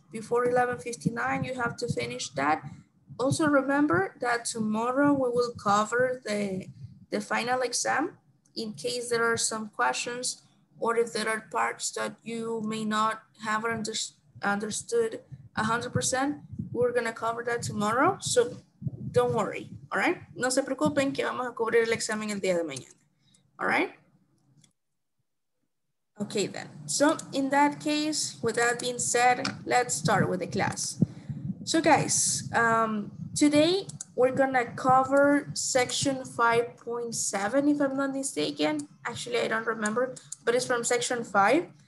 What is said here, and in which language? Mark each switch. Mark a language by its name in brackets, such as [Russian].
[English] Before 11:59, you have to finish that. Also remember that tomorrow we will cover the final exam in case there are some questions or if there are parts that you may not have understood 100%, we're gonna cover that tomorrow. So don't worry, all right? [Spanish] No se preocupen que vamos a cubrir el examen el día de mañana, [English] all right? Okay then, so in that case, with that being said, let's start with the class. So guys, today we're gonna cover section 5.7, if I'm not mistaken. Actually, I don't remember, but it's from section 5.